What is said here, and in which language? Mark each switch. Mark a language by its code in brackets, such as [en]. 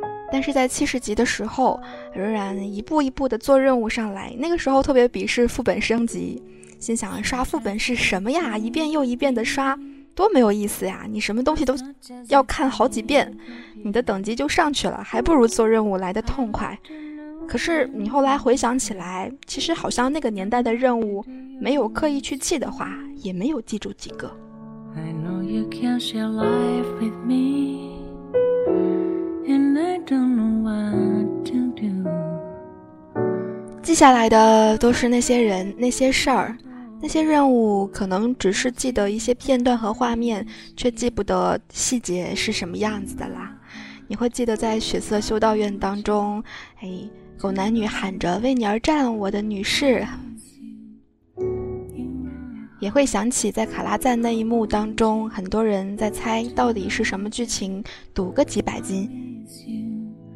[zh] 但是在70级的时候仍然一步一步的做任务上来，那个时候特别鄙视副本升级，心想刷副本是什么呀，一遍又一遍的刷多没有意思呀，你什么东西都要看好几遍，你的等级就上去了，还不如做任务来得痛快。可是你后来回想起来，其实好像那个年代的任务没有刻意去记的话，也没有记住几个。 [en] I know you can't share life with me and I don't know what to do。 [zh] 记下来的都是那些人那些事儿，那些任务可能只是记得一些片段和画面，却记不得细节是什么样子的啦。你会记得在血色修道院当中，哎，狗男女喊着为你而战我的女士，也会想起在卡拉赞那一幕当中，很多人在猜到底是什么剧情，赌个几百金。